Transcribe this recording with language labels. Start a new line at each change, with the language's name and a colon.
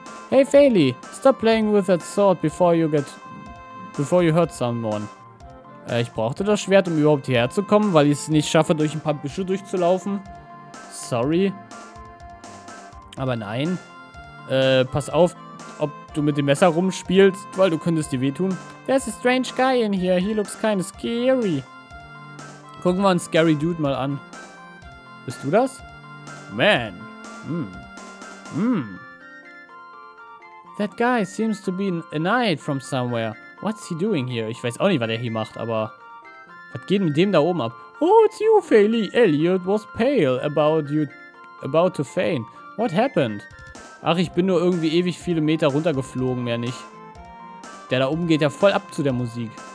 English: Hey, Faye, stop playing with that sword before you hurt someone.
German: Ich brauchte das Schwert, um überhaupt hierher zu kommen, weil ich es nicht schaffe, durch ein paar Büsche durchzulaufen. Sorry. Aber nein. Pass auf, ob du mit dem Messer rumspielst, weil du könntest dir wehtun.
English: There's a strange guy in here. He looks kind of scary.
German: Gucken wir einen scary Dude mal an. Bist du das? Man.
English: That guy seems to be a knight from somewhere. What's he doing here?
German: Ich weiß auch nicht, was er hier macht, aber... Was geht mit dem da oben ab?
English: Oh, it's you, Feli. Elliot was pale about you... About to faint. What happened?
German: Ach, ich bin nur irgendwie ewig viele Meter runtergeflogen, mehr nicht. Der da oben geht ja voll ab zu der Musik.